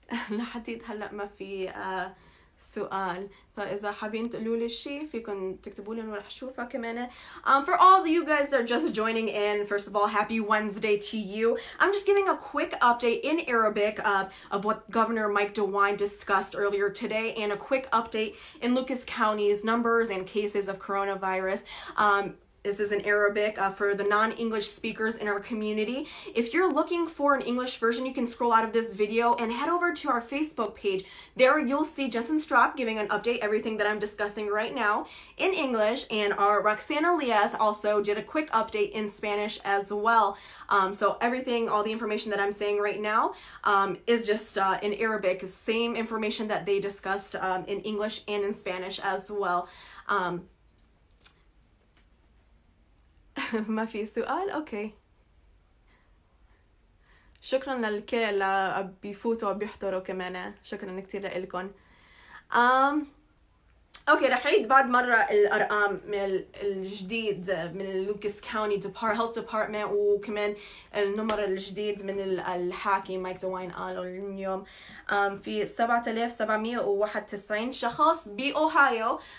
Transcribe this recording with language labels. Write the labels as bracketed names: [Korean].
[Arabic] لحديت هلأ ما في سؤال فإذا حابين تقولوا لي شيء فيكن تكتبوا لي ورح شوفها كمان [English] for all of you guys that are just joining in first of all happy Wednesday to you I'm just giving a quick update in Arabic of what Governor Mike DeWine discussed earlier today and a quick update in Lucas County's numbers and cases of coronavirus This is in Arabic for the non-English speakers in our community. If you're looking for an English version, you can scroll out of this video and head over to our Facebook page. There you'll see Jensen Strock giving an update, everything that I'm discussing right now in English, and our Roxana Lias also did a quick update in Spanish as well. So everything, all the information that I'm saying right now is just in Arabic, same information that they discussed in English and in Spanish as well. [Arabic] ما في سؤال اوكي شكرا للكل بيفوتوا وبيحضروا كمان شكرا كثير لكم اوكي رح عيد بعد مره الارقام من الجديد من لوكس كاوني هيلث ديبارتمنت وكمان النمر الجديد من الحاكم مايك دوين قالوا اليوم في 7791 شخص باوهايو